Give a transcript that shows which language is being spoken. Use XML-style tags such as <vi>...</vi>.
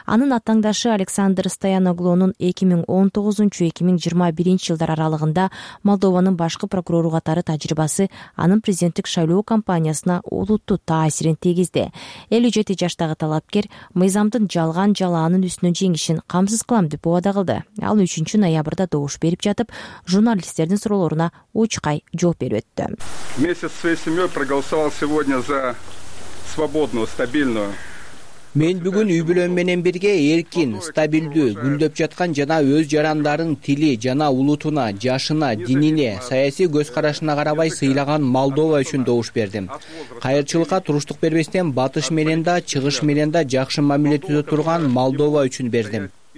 <ky>Анын атаңдашы Александр Стояноглонун 2019-2021 жылдар аралыгында Молдованын башкы прокурору катары тажрыйбасы анын президенттик шайлоо кампаниясына олуттуу таасирин тийгизди. 57 жаштагы талапкер мыйзамдын жалган жалаанын үстүнөн жеңишин камсыз кылам деп убада кылды. Ал 3 ноябрда добуш берип жатып, журналисттердин суроолоруна учкай жооп берип өттү.</ky> <ru>Месяц со своей семьей проголосовал сегодня за свободную, стабильную.</ru> <ky>Мен бүгүн үй бүлөм менен бирге эркин, стабилдүү, гүлдөп жаткан жана өз жарандарын тили жана улутуна, жашына, динине, саясий көз карашына карабай сыйлаган Молдова үчүн добуш бердим. Кайырчылыкка туруштук бербестен батыш менен да, чыгыш менен да жакшы мамиле түзө турган Молдова үчүн бердим.</ky>